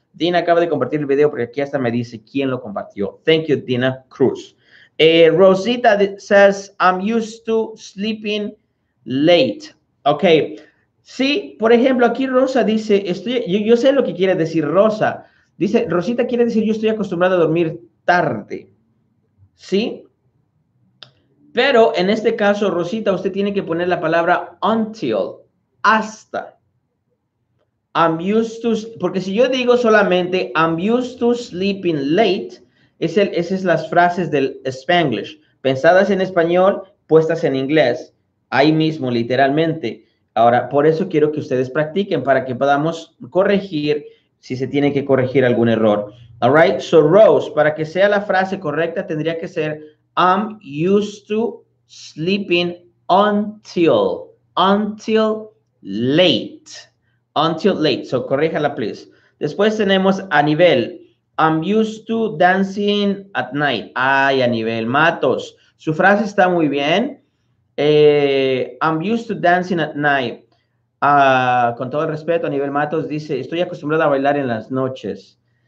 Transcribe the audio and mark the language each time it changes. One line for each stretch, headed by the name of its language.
Spanish: Dina acaba de compartir el video porque aquí hasta me dice quién lo compartió.
English: Thank you, Dina Cruz. Rosita says, I'm used to sleeping late. Okay.
Spanish: Sí, por ejemplo, aquí Rosa dice, yo sé lo que quiere decir Rosa. Dice, Rosita quiere decir, yo estoy acostumbrada a dormir tarde. ¿Sí? Pero en este caso, Rosita, usted tiene que poner la palabra until, hasta.
English: I'm used to,
Spanish: porque si yo digo solamente
English: I'm used to sleeping late,
Spanish: esas son las frases del Spanglish, pensadas en español, puestas en inglés, ahí mismo, literalmente. Ahora, por eso quiero que ustedes practiquen para que podamos corregir si se tiene que corregir algún error.
English: All right, so Rose,
Spanish: para que sea la frase correcta, tendría que ser
English: I'm used to sleeping until late. Until late.
Spanish: So, corríjala, please. Después tenemos a nivel.
English: I'm used to dancing at night. Ay, a nivel. Matos.
Spanish: Su frase está muy bien.
English: I'm used to dancing at night.
Spanish: Con todo el respeto, a nivel Matos dice, estoy acostumbrado a bailar en las noches.